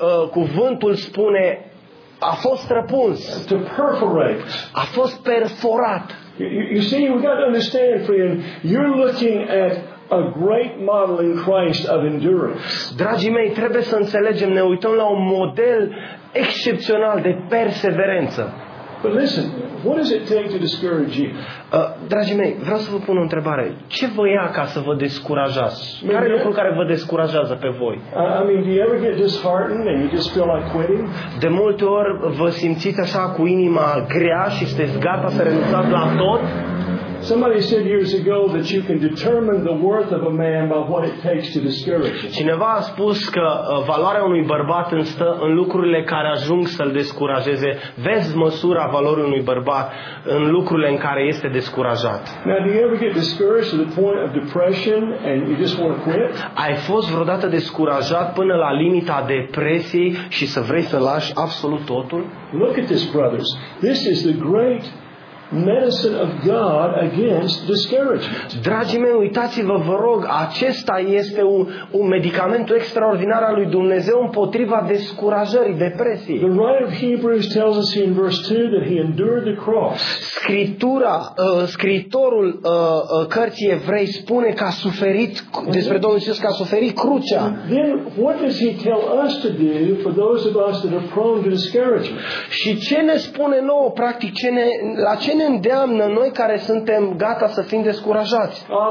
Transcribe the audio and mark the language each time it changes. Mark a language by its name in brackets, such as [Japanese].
[Romanian] Cuvântul spune, a fost răpuns. [English] To perforate. [Romanian] A fost perforat. [English] You see, we've got to understand, friend, you're looking at a great model in Christ of endurance. [Romanian] Dragii mei, trebuie să înțelegem, ne uităm la un model excepțional de perseverență. [English] But listen, what does it take to discourage you? [Romanian] Dragii mei, vreau să vă pun o întrebare. Ce vă ia ca să vă descurajați? Care e lucrul care vă descurajează pe voi? [English] I mean, do you ever get disheartened and you just feel like quitting? [Romanian] De multe ori vă simțiți așa cu inima grea și sunteți gata să renunțați la tot? [English] Somebody said years ago that you can determine the worth of a man by what it takes to discourage him. [Romanian] Cineva a spus că valoarea unui bărbat stă în lucrurile care ajung să-l descurajeze. Vezi măsura valorii unui bărbat în lucrurile în care este descurajat. [English] Now, do you ever get discouraged to the point of depression and you just want to quit? [Romanian] Ai fost vreodată descurajat până la limita depresiei și să vrei să lași absolut totul? [English] Look at this, brothers. This is the great medicine of God against discouragement. [Romanian] Dragii mei, uitați-vă, vă rog, acesta este un medicament extraordinar al lui Dumnezeu împotriva descurajării, depresiei. [English] The writer of Hebrews tells us in verse 2 that he endured the cross. [Romanian] Scriptura, scriitorul cărții Evrei spune că a suferit, despre Domnul Iisus, că a suferit crucea. [English] Then what does he tell us to do for those of us that are prone to discouragement? [Romanian] Și ce ne spune nouă, practic, ce ne îndeamnă noi care suntem gata să fim descurajați?